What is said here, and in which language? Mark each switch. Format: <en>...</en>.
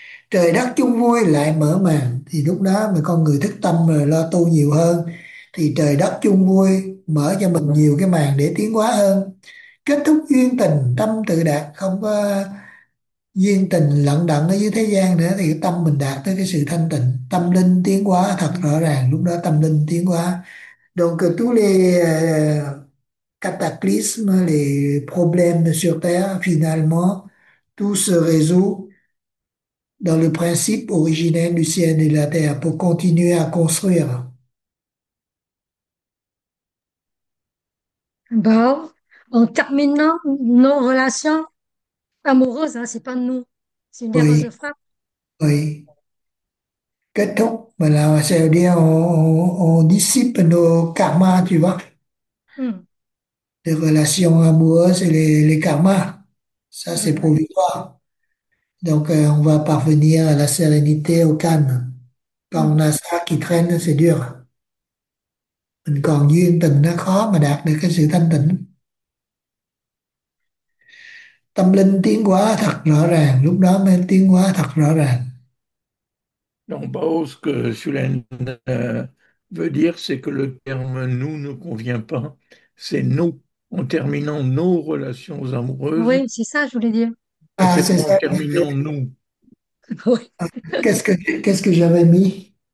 <vi>Trời đất chung vui lại mở màn, thì lúc đó mà con người thức tâm rồi lo tu nhiều hơn thì trời đất chung vui mở cho mình nhiều cái màn để tiến hóa hơn. Kết thúc duyên tình tâm tự đạt, không có duyên tình lận đận ở dưới thế gian nữa, thì tâm mình đạt tới cái sự thanh tịnh, tâm linh tiến hóa thật rõ ràng, lúc đó tâm linh tiến hóa.</vi> <fr>Donc tous les cataclysmes, les problèmes sur Terre, finalement, tout se résout dans le principe originel du ciel et de la Terre pour continuer à construire. Bon, en terminant nos relations amoureuses, hein, c'est pas nous, c'est une erreur de Oui, frappe. oui.</fr> <vi>Kết thúc mà là sẽ đi</vi> <fr>on dissipe nos karma, tu vois. Les relations amoureuses et les karmas, ça c'est provisoire. Donc on va parvenir à la sérénité, au calme. Quand on a ça qui traîne, c'est dur.</fr> <vi>Mình còn duyên tình nó khó mà đạt được cái sự thanh tịnh. Tâm linh tiến hóa thật rõ ràng, lúc đó mới tiến hóa thật rõ ràng.</vi> <fr>Donc, Bao, ce que Sulaine veut dire, c'est que le terme nous ne convient pas. C'est nous, en terminant nos relations amoureuses. Oui, c'est ça, je voulais dire. Et Ah, c'est c'est pas en ça. terminant nous. Oui. Qu'est-ce que j'avais mis?</fr>